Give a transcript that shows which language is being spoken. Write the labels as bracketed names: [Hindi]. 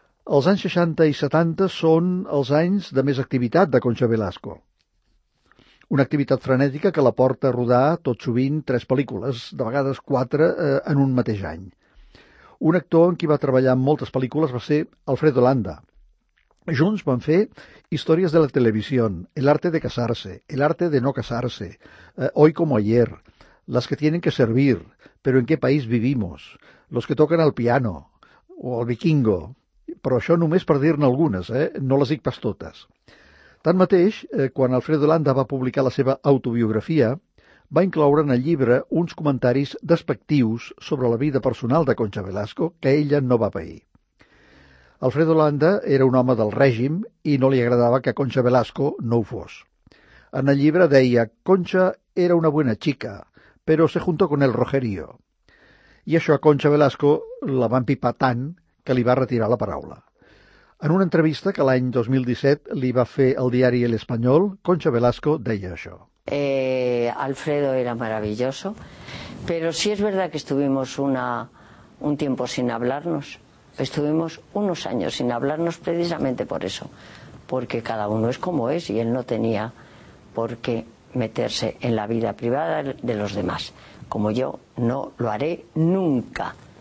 [Catalan] Els anys 60 i 70 són els anys de més activitat de Concha Velasco. Una activitat frenètica que la porta a rodar tot sovint tres pel·lícules, de vegades quatre, en un mateix any. Un actor amb qui va treballar en moltes pel·lícules va ser Alfredo Landa. Junts van fer Històries de la televisió, El arte de casarse, El arte de no casarse, Hoy como ayer, Las que tienen que servir, Pero en qué país vivimos, Los que toquen el piano, o El vikingo. Però això només per dir-ne algunes, no les dic pas totes. Tanmateix, quan Alfredo Landa va publicar la seva autobiografia, va incloure en el llibre uns comentaris despectius sobre la vida personal de Concha Velasco que ella no va pair. Alfredo Landa era un home del règim i no li agradava que Concha Velasco no ho fos. En el llibre deia: [Spanish] Concha era una buena chica, però se juntó con el Rogerio. [Catalan] I això a Concha Velasco la va empipar tant que li va retirar la paraula. En una entrevista que l'any 2017 li va fer el diari El Español, Concha Velasco deia això. [Spanish] Alfredo era maravilloso, pero sí es verdad que estuvimos un tiempo sin hablarnos. Estuvimos unos años sin hablarnos precisamente por eso, porque cada uno es como es y él no tenía por qué meterse en la vida privada de los demás, como yo no lo haré nunca.